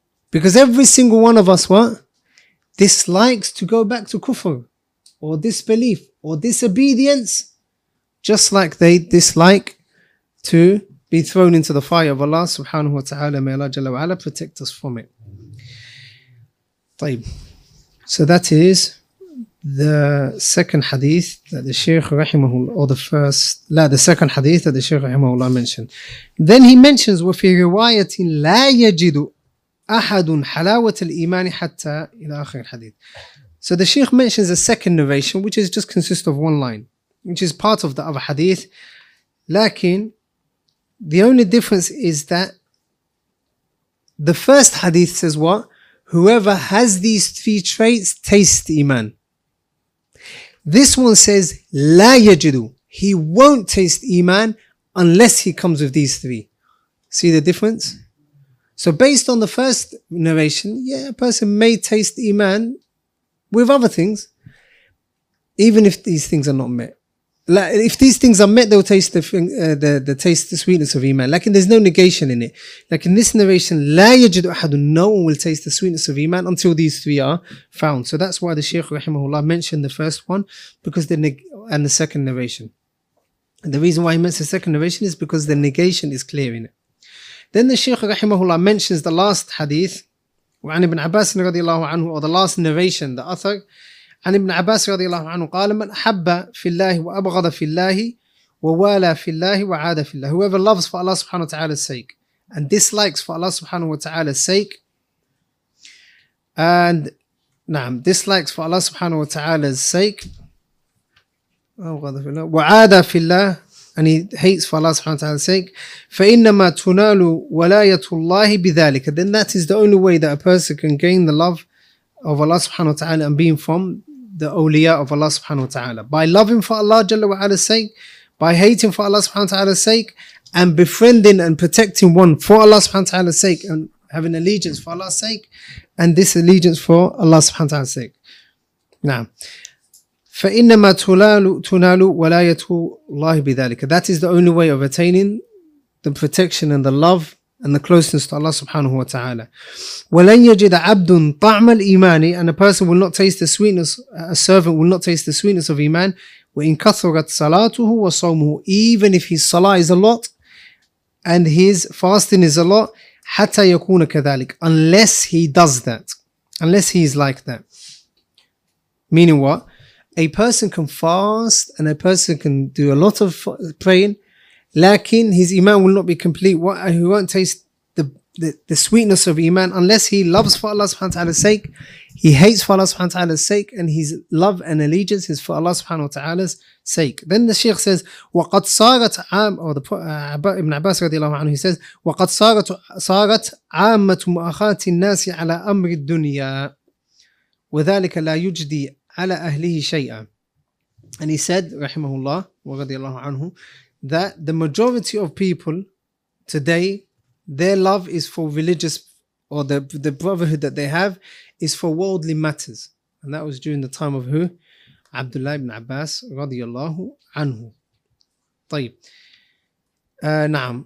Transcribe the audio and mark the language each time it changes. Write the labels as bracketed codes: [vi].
[en] Because every single one of us, what? Dislikes to go back to kufr, or disbelief, or disobedience, just like they dislike to be thrown into the fire of Allah subhanahu wa ta'ala. May Allah Jalla wa'ala protect us from it. Taib. So that is the second hadith that the Shaykh rahimahullah, or the first, la, the second hadith that the Shaykh rahimahullah mentioned. Then he mentions, [ar] وَفِي رِوَايَةٍ لَا يَجِدُ أَحَدٌ حَلَاوَةَ الْإِيمَانِ حَتَّى إِلَى آخِرِ الْحَدِيثِ. [en] So the Shaykh mentions a second narration, which is just consists of one line, which is part of the other hadith. Lakin, the only difference is that the first hadith says what? Whoever has these three traits tastes iman. This one says, [ar] la yajidu. [en] He won't taste iman unless he comes with these three. See the difference? So based on the first narration, yeah, a person may taste iman with other things, even if these things are not met. Like, if these things are met, they'll taste the sweetness of iman. Like, and there's no negation in it. Like in this narration, [ar] la yajidu ahadun, [en] no one will taste the sweetness of iman until these three are found. So that's why the Shaykh rahimahullah mentioned the first one, because the second narration. And the reason why he mentions the second narration is because the negation is clear in it. Then the Shaykh rahimahullah mentions the last hadith, [ar] وعن ابن عباس رضي الله عنه, [en] or the last narration, the author, [ar] عن ابن عباس رضي الله عنه قال من أحب في الله وأبغض في الله ووالى في الله وعاد في الله. [en] Whoever loves for Allah subhanahu wa ta'ala's sake and dislikes for Allah subhanahu wa ta'ala's sake, and نعم, dislikes for Allah subhanahu wa ta'ala's sake, [ar] أبغض في الله وعاد في الله, [en] and he hates for Allah subhanahu wa ta'ala's sake, [ar] فإنما تنال ولاية الله بذلك. [en] Then that is the only way that a person can gain the love of Allah subhanahu wa ta'ala and being from the awliya of Allah subhanahu wa ta'ala. By loving for Allah jalla wa ala's sake, by hating for Allah subhanahu wa ta'ala's sake, and befriending and protecting one for Allah subhanahu wa ta'ala's sake, and having allegiance for Allah's sake, and this allegiance for Allah subhanahu wa ta'ala's sake. [ar] Now, فَإِنَّمَا تُنَالُ وَلَايَةُ اللَّهِ بِذَلِكَ. [en] That is the only way of attaining the protection and the love and the closeness to Allah subhanahu wa ta'ala. [ar] وَلَنْ يَجِدَ عَبْدٌ طَعْمَ الْإِيمَانِ. [en] And a person will not taste the sweetness, a servant will not taste the sweetness of iman, [ar] وَإِنْ كَثُرَتْ صَلَاتُهُ وَصَوْمُهُ. [en] Even if his salah is a lot and his fasting is a lot, [ar] حَتَّى يَكُونَ كَذَلِكَ. [en] Unless he does that, unless he is like that. Meaning what? A person can fast and a person can do a lot of praying, lakin his iman will not be complete. What, he won't taste the sweetness of iman unless he loves for Allah subhanahu wa ta'ala's sake, he hates for Allah subhanahu wa ta'ala's sake, and his love and allegiance is for Allah subhanahu wa ta'ala's sake. Then the Shaykh says, [ar] وَقَدْ صَارَتْ عَامَةٌ, [en] or the Ibn Abbas radiallahu anhu, he says, [ar] وَقَدْ صَارَتْ عَامَةُ مُؤَخَاتِ النَّاسِ عَلَىٰ أَمْرِ الدُّنْيَا وَذَلِكَ لَا يُجْدِي عَلَىٰ أَهْلِهِ شَيْئًا. [en] And he said, rahimahullah wa radiallahu anhu, that the majority of people today, their love is for religious, or the brotherhood that they have is for worldly matters. And that was during the time of who? [ar] Abdullah ibn Abbas radiallahu anhu. طيب. نعم.